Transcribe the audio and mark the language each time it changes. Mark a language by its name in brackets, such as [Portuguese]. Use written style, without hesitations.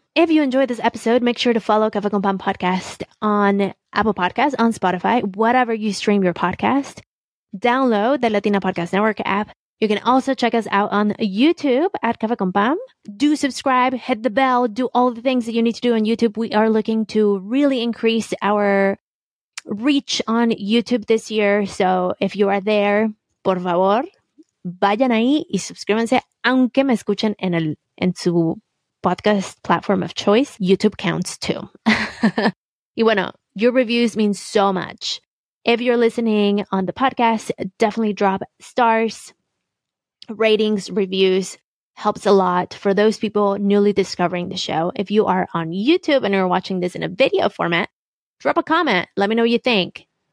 [English] If you enjoyed this episode, make sure to follow Café con Pan Podcast on Apple Podcasts, on Spotify, whatever you stream your podcast. Download the Latina Podcast Network app. You can also check us out on YouTube at Café con Pan. Do subscribe, hit the bell, do all the things that you need to do on YouTube. We are looking to really increase our reach on YouTube this year. So if you are there, [Spanish] por favor, vayan ahí y suscríbanse, aunque me escuchen en el en su [English] podcast platform of choice, YouTube counts too. [Spanish] Y bueno, [English] your reviews mean so much. If you're listening on the podcast, definitely drop stars, ratings, reviews. Helps a lot for those people newly discovering the show. If you are on YouTube and you're watching this in a video format, drop a comment. Let me know what you think.